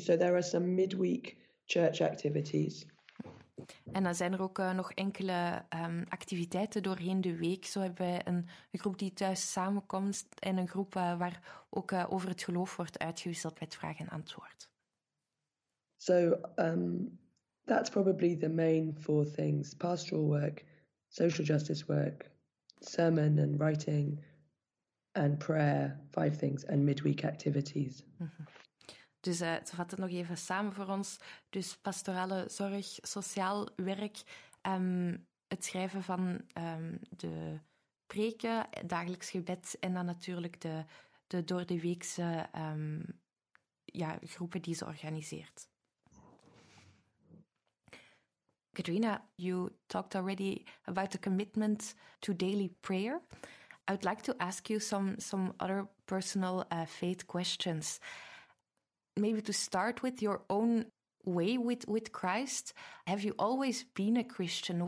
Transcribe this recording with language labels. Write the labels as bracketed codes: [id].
[en] So there are some midweek church activities. [nl] En dan zijn er ook nog enkele activiteiten doorheen de week. Zo hebben we een groep die thuis samenkomt en een groep waar ook over het geloof wordt uitgewisseld met vraag en antwoord. [en] So that's probably the main four things: pastoral work, social justice work, sermon and writing, and prayer, five things, and midweek activities. [nl] Dus ze vat het nog even samen voor ons. Dus pastorale zorg, sociaal werk, het schrijven van de preken, dagelijks gebed en dan natuurlijk de door de weekse groepen die ze organiseert. [en] Katrina, you talked already about the commitment to daily prayer. I would like to ask you some other personal faith questions. Maybe to start with your own way with Christ, have you always been a Christian?